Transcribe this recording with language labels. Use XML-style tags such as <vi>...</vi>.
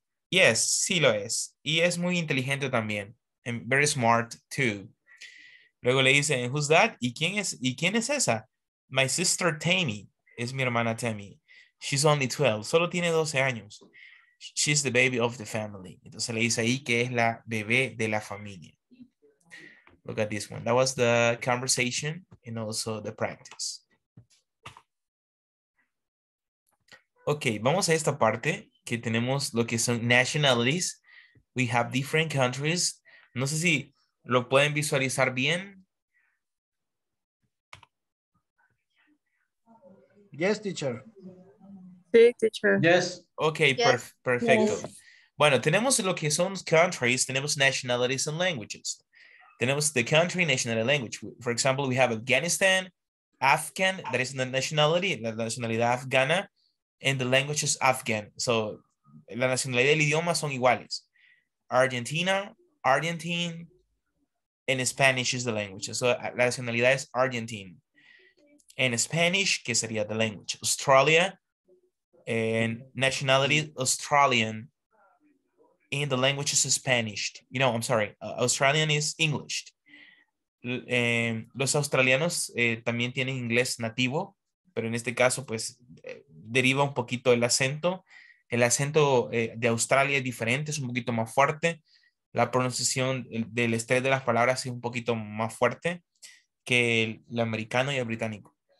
<es>Yes, sí lo es. Y es muy inteligente también.</es> <en>And very smart, too.</en> <es>Luego le dice,</es> <en>who's that?</en> <es>¿Y quién es esa?</es> <en>My sister Tammy.</en> <es>Es mi hermana Tammy.</es> <en>She's only 12.</en> <es>Solo tiene 12 años.</es> <en>She's the baby of the family.</en> <es>Entonces le dice ahí que es la bebé de la familia.</es> <en>Look at this one. That was the conversation and also the practice.</en> <es>Ok, vamos a esta parte que tenemos lo que son nationalities.</es> <en>We have different countries.</en> <es>No sé si lo pueden visualizar bien.</es> <en>Yes, teacher.</en> <es>Sí, teacher.</es> <en>Yes. Okay, yes.</en> <es>Perfecto. Yes. Bueno, tenemos lo que son countries, tenemos</es> <en>nationalities and languages. Tenemos the country, nationality, language. For example, we have Afghanistan, Afghan, that is the nationality,</en> <es>la nacionalidad afgana,</es> <en>and the language is Afghan.</en> <es>So, la nacionalidad y el idioma son iguales.</es> <en>Argentina, Argentine, and Spanish is the language.</en> <es>So, la nacionalidad es Argentine. And Spanish, que sería</es> <en>the language. Australia, and nationality Australian, and the language is Spanish. You know, I'm sorry, Australian is English.</en> <es>Los australianos también tienen inglés nativo, pero en este caso, pues, deriva un poquito el acento. El acento de Australia es diferente, es un poquito más fuerte. La pronunciación del estrés de las palabras es un poquito más fuerte que el americano y el británico.</es>